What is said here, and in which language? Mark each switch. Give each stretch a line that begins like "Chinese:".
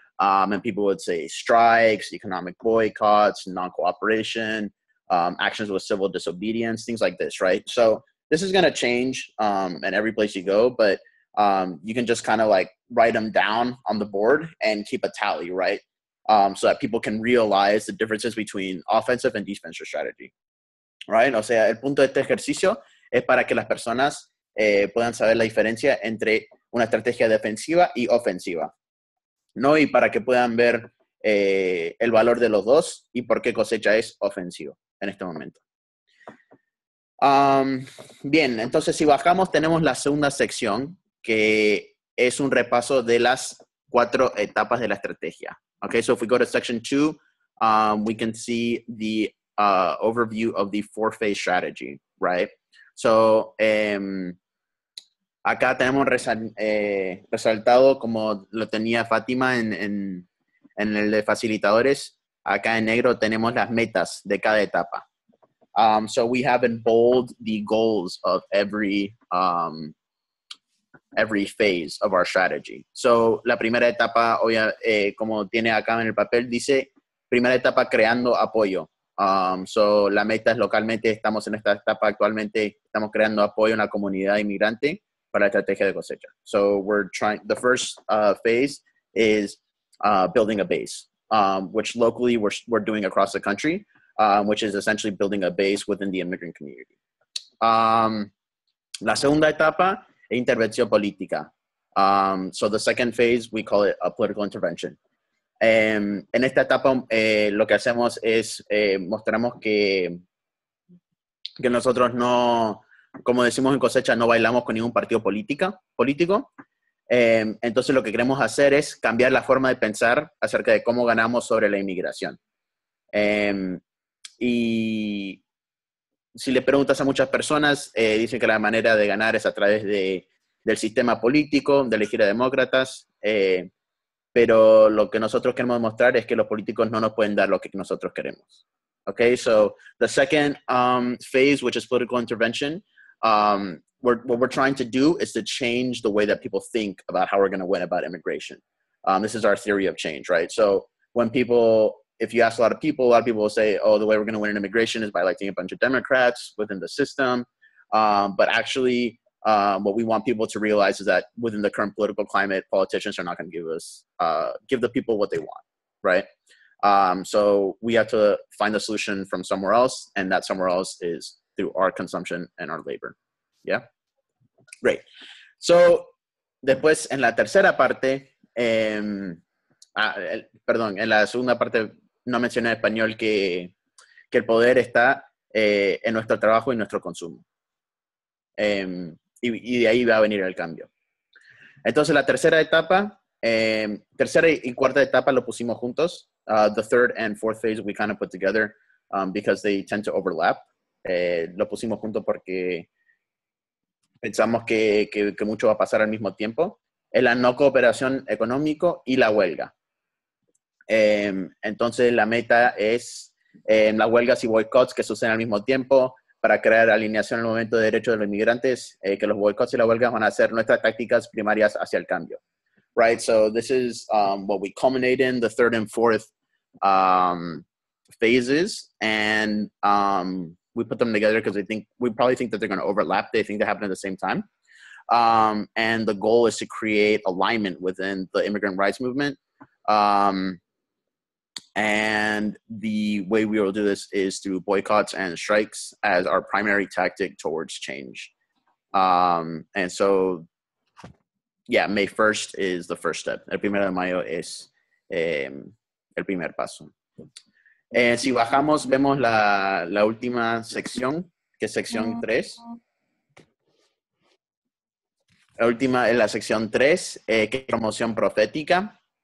English: And people would say strikes, economic boycotts, non-cooperation, actions with civil disobedience, things like this, right? So this is going to change in every place you go, but you can just kind of like write them down on the board and keep a tally, right? So that people can realize the differences between offensive and defensive strategy, right?
Spanish: O sea, el punto de este ejercicio es para que las personas puedan saber la diferencia entre una estrategia defensiva y ofensiva, ¿no? Y para que puedan ver el valor de los dos y por qué cosecha es ofensivo en este momento. Bien, entonces si bajamos, tenemos la segunda sección, que es un repaso de las 4 etapas de la estrategia.
English: Okay, so if we go to section 2, we can see the overview of the 4-phase strategy, right?
Spanish: So, acá tenemos resaltado, como lo tenía Fátima en el de facilitadores, acá en negro tenemos las metas de cada etapa.
English: So we have in bold the goals of every phase of our strategy.
Spanish: So la primera etapa, como tiene acá en el papel, dice primera etapa creando apoyo. So la meta es localmente, estamos en esta etapa actualmente, estamos creando apoyo en la comunidad inmigrante para la estrategia de cosecha.
English: So we're trying, the first phase is building a base, which locally we're doing across the country, which is essentially building a base within the immigrant community.
Spanish: La segunda etapa es intervención política.
English: So the second phase, we call it a political intervention.
Spanish: En esta etapa, lo que hacemos es mostramos que nosotros no, como decimos en Cosecha, no bailamos con ningún partido político. Entonces lo que queremos hacer es cambiar la forma de pensar acerca de cómo ganamos sobre la inmigración. Y si le preguntas a muchas personas, dicen que la manera de ganar es a través de, del sistema político, de elegir a demócratas, pero lo que nosotros queremos demostrar es que los políticos no nos pueden dar lo que nosotros queremos.
English: Okay, so the second phase, which is political intervention, what we're trying to do is to change the way that people think about how we're going to win about immigration. This is our theory of change, right? So when people, if you ask a lot of people will say, oh, the way we're going to win in immigration is by electing a bunch of Democrats within the system. But actually, what we want people to realize is that within the current political climate, politicians are not going to give us, give the people what they want, right? So we have to find a solution from somewhere else, and that somewhere else is through our consumption and our labor. Yeah, great.
Spanish: So, después, en la tercera parte, en la segunda parte, no mencioné en español que el poder está en nuestro trabajo y nuestro consumo. Y de ahí va a venir el cambio. Entonces, la tercera etapa, tercera y cuarta etapa lo pusimos juntos.
English: The third and fourth phase we kind of put together because they tend to overlap.
Spanish: Lo pusimos juntos porque pensamos que mucho va a pasar al mismo tiempo. Es la no cooperación económico y la huelga. Entonces la meta es las huelgas y boicots que suceden al mismo tiempo para crear alineación en el momento de derechos de los inmigrantes, que los boicots y las huelgas van a ser nuestras tácticas primarias hacia el cambio.
English: Right, so this is what we culminate in, the third and fourth phases, and we put them together because we probably think that they're going to overlap. They think they happen at the same time. And the goal is to create alignment within the immigrant rights movement. And the way we will do this is through boycotts and strikes as our primary tactic towards change. And so, yeah, May 1st is the first step.
Spanish: El primero de mayo es el primer paso. Si bajamos, vemos la última sección, que es sección 3. La última es la sección 3, que es promoción profética.